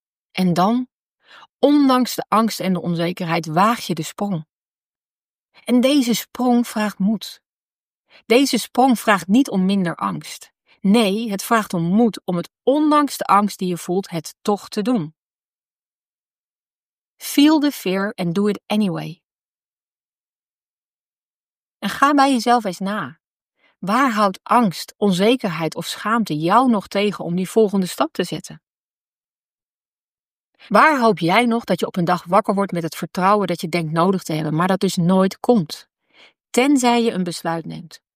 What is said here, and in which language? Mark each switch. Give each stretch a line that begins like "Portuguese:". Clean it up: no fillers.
Dutch: En dan, ondanks de angst en de onzekerheid, waag je de sprong. En deze sprong vraagt moed. Deze sprong vraagt niet om minder angst. Nee, het vraagt om moed om het ondanks de angst die je voelt het toch te doen.
English: Feel the fear and do it anyway.
Dutch: En ga bij jezelf eens na. Waar houdt angst, onzekerheid of schaamte jou nog tegen om die volgende stap te zetten? Waar hoop jij nog dat je op een dag wakker wordt met het vertrouwen dat je denkt nodig te hebben, maar dat dus nooit komt? Tenzij je een besluit neemt,